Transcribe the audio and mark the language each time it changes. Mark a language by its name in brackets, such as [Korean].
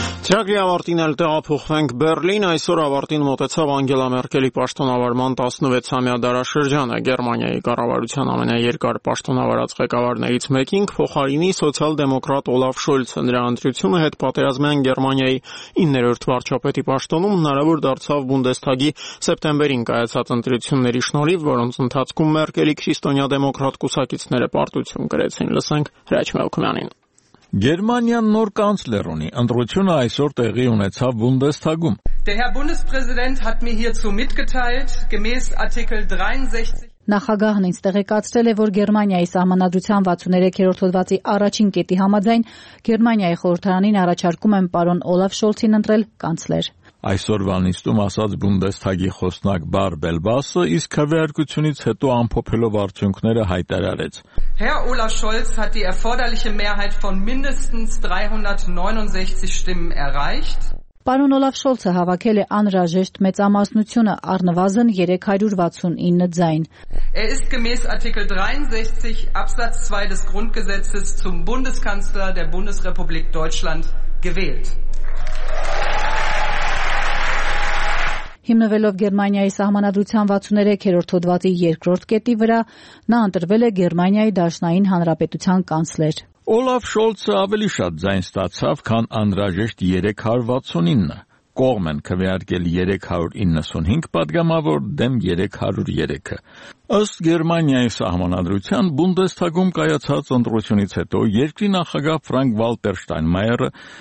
[Armenian] Ճակի ավարտին էլ տեղափոխվենք Բեռլին, այսօր ավարտին մոտեցավ Անգելա Մերկելի պաշտոնավարման 16-ամյա դարաշրջանը, Գերմանիայի կառավարության ամենաերկար պաշտոնավարած ղեկավարներից մեկին, փոխարինի սոցիալ-դեմոկրատ Օլաֆ Շոլցը, նրա ընտրությունը հետ պատերազմյան Գերմանիայի 9-րդ վարչապետի պաշտոնում հնարավոր դարձավ Բունդեսթագի սեպտեմբերին կայացած ընտրությունների շնորհիվ, որոնց ընթացքում Մերկելի քրիստոնյա դեմոկրատ կուսակիցները պարտություն գրեցին։ Լսենք Հրաչ Մելքումյանին։ Գերմանիան նոր կանցլեր ունի, ընտրությունը այսօր տեղի ունեցավ Բունդեսթագում։ [German] Der Herr Bundespräsident hat mir hierzu mitgeteilt, gemäß Artikel 63 [Armenian] Նախագահն ինձ տեղեկացրել է, որ Գերմանիայի սահմանադրության 63-րդ հոդվածի առաջին կետի համաձայն Գերմանիայի խորհրդարանին առաջարկում եմ պարոն Օլաֆ Շոլցին ընտրել կանցլեր։ Այսօր Վանիստում ասաց Բունդեսթագի խոսնակ Բար Բելբասը, իսկ հրավերկությունից հետո ամփոփելով արդյունքները հայտարարեց. [German] Herr Olaf Scholz hat die erforderliche Mehrheit von mindestens 369 Stimmen erreicht. [Armenian] Պարոն Օլաֆ Շոլցը հավաքել է անհրաժեշտ մեծամասնությունը, առնվազն 369 ձայն։ [German] Er ist gemäß Artikel 63 Absatz 2 des Grundgesetzes zum Bundeskanzler der Bundesrepublik Deutschland gewählt. [Armenian] Հիմնվելով Գերմանիայի սահմանադրության 63-րդ հոդվածի 2-րդ կետի վրա, նա ընտրվել է Գերմանիայի Դաշնային Հանրապետության կանցլեր։ Օլաֆ Շոլցը ավելի շատ ձայն ստացավ, քան անհրաժեշտ 369։ Կողմ են քվեարկել 395 պատգամավոր դեմ 303-ը։ Ըստ Գերմանիայի սահմանադրության Բունդեսթագում կայացած ընտրությունից հետո երկրի նախագահ Ֆրանկ Վալտեր Շտայնմայերը